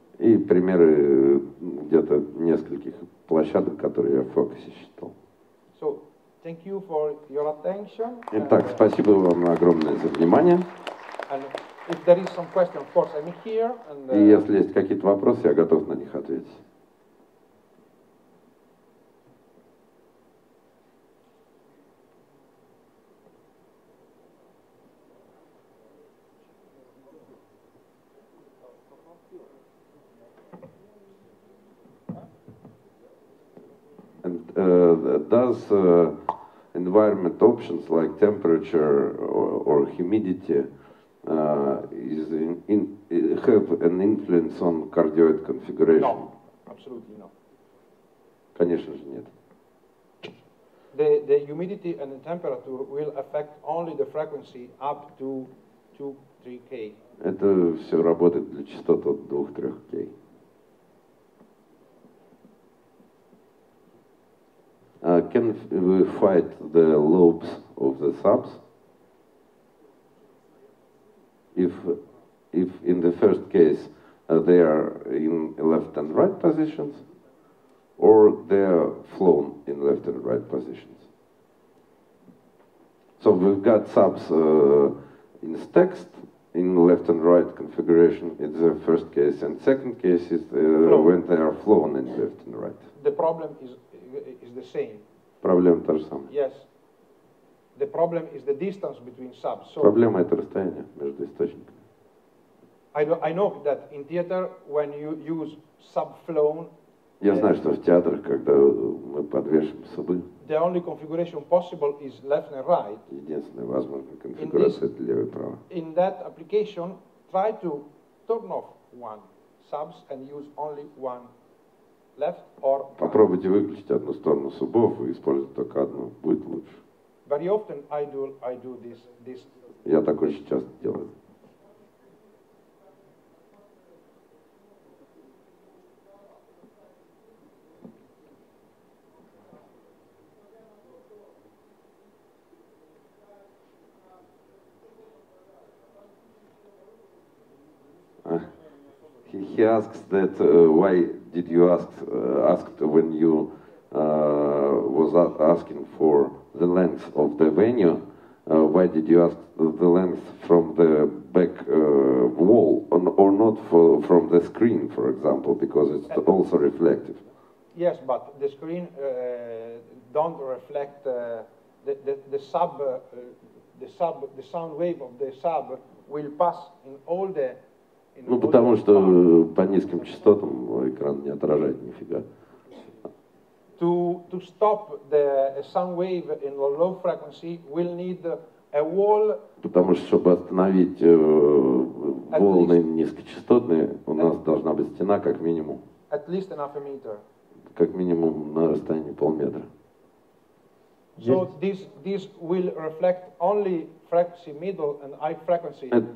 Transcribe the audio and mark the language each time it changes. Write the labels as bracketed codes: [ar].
[ru] И примеры где-то нескольких площадок, которые я в фокусе считал. [en] So, thank you for your attention. [ru] Итак, спасибо вам огромное за внимание. [en] And if there is some question, of course, I'm here. And, [ru] и если есть какие-то вопросы, я готов на них ответить. [en] Does environment options like temperature or humidity have an influence on cardioid configuration? No, absolutely not. [ru] Конечно же нет. [en] The humidity and the temperature will affect only the frequency up to 2-3 K. [ru] Это все работает для частот от 2-3 K. [en] Can we fight the lobes of the subs? If in the first case they are in left and right positions, or they are flown in left and right positions. So we've got subs in stacks in left and right configuration. It's the first case, and second case is when they are flown in left and right. The problem is the same. [ru] Проблема та же самая. [en] Yes. The problem is the distance between subs. So [ru] проблема это расстояние между источниками. [en] I know that in theater when you use sub flown. [ru] Я знаю, что в театрах, когда мы подвешиваем субы. [en] The only configuration possible is left and right. [ru] Единственная возможная конфигурация это лево и право. [en] In that application, try to turn off one subs and use only one. Left or right. [ru] Попробуйте выключить одну сторону субов и использовать только одну, будет лучше. [en] Very often I do this. [ru] Я так очень часто делаю. [en] He asks that why did you asked when you was asking for the length of the venue? Why did you ask the length from the back wall or not from the screen, for example, because it's also reflective. Yes, but the screen don't reflect the sound wave of the sub will pass in all the. [ru] Ну, потому что по низким частотам экран не отражает нифига. [en] To stop the sound wave in a low frequency, we'll need a wall. [ru] Потому что, чтобы остановить волны низкочастотные, у нас должна быть стена как минимум. [en] At least enough a meter. [ru] Как минимум на расстоянии полметра. [en] So this will reflect only frequency middle and high frequency.